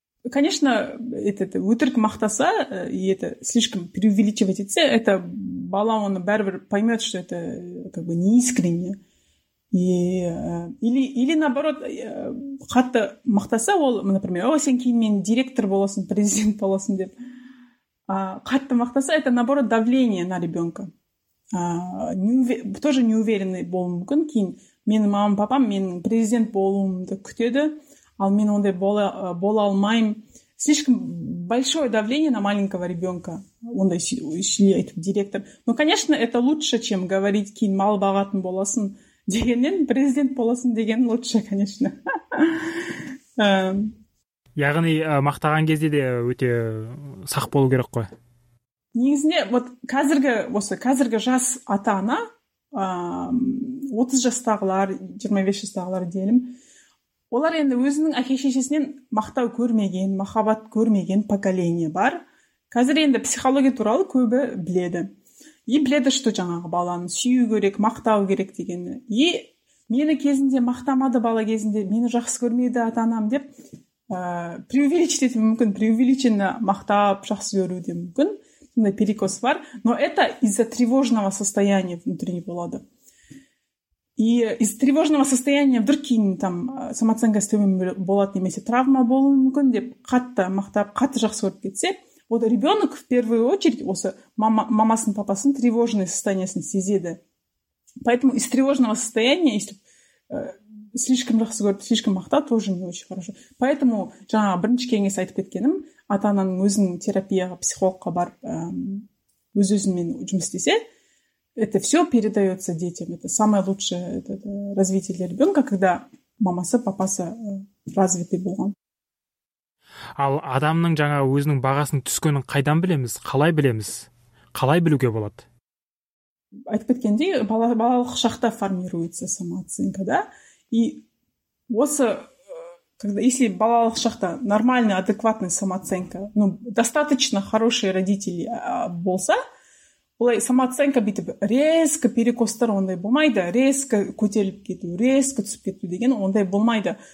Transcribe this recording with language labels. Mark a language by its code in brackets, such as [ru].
[ru] Конечно, [kk] өтірік мақтаса, [ru] слишком преувеличивать [kk] етсе, бала оны бәрібір [ru] поймет, что не искренне. Или наоборот, [kk] қатты мақтаса ол, [ru] например, [kk] сен кейін мен директор боласын, президент боласын деп. Қатты мақтаса, [ru] наоборот, давление на ребенка. Тоже неуверенный [kk] болуы мүмкін. Кейін менің мамам, папам менің президент болуымды күтеді, ал мен ондай бола алмайым. [ru] Слишком большое давление на маленького ребенка. [kk] Ондай үшілі айтып директор. [ru] Но, конечно, это лучше, чем говорить, [kk] кейін мал бағатын боласын. Дегеннен президент боласын деген [ru] лучше, конечно. [kk] Яғни, мақтаған кезде де өте сақ болу керек қой. Негізінде, қазіргі жас ата-ана, 30 жастағылар, 25 жастағылар дейлім, олар енді өзінің әке-шешесінен мақтау көрмеген, махаббат көрмеген поколение бар. Қазір енді психология туралы көбі біледі. И біледі, [ru] что [kk] жаңағы баланы сүйу керек, мақтау керек деген. И мені кезінде мақтамады бала кезінде, мені жақсы көрмейді ата-анам деп, [ru] преувеличенно [kk] мақтап жақсы көруде мүмкін. Сондай [ru] перекос [kk] бар. [ru] Но это из-за тревожного состояния внутренней [kk] болады. [ru] И из тревожного состояния вдруг [kk] кейін там самооценка төмен болады, немесе травма болуы мүмкін деп, қатты мақтап, қатты жақсы көріп кетсе, [ru] вот ребенок в первую очередь [kk] осы мамасын папасын [ru] тревожный [kk] состояниесін сезеді. [ru] Поэтому из тревожного состояния, если слишком [kk] жақсы көріп, [ru] слишком [kk] мақта [ru] тоже не очень хорошо. [kk] Поэтому жаңа бірінші кеңес айтып кеткенім, ата-ананың өзінің терапияға, психологқа барып, өз-өзімен жұмыс істесе, [ru] это все передается детям. Это самое лучшее это развитие для ребенка, когда [kk] мамасы, папасы [ru] развитый [kk] болған. Ал адамның жаңа өзінің бағасының түскенін қайдан білеміз, қалай білеміз, қалай білуге болады? Айтып кеткенде, балалық шақта [ru] формируется самооценка, да? [kk] И осы, [ru] когда, если [kk] балалық шақта [ru] нормальная, адекватная самооценка, ну, достаточно хорошие родители [kk] болса, олай самооценка бүйтіп [ru] резко перекостар [kk] ондай болмайды, резко көтеріліп кету, резко түсіп кету деген ондай болмайды.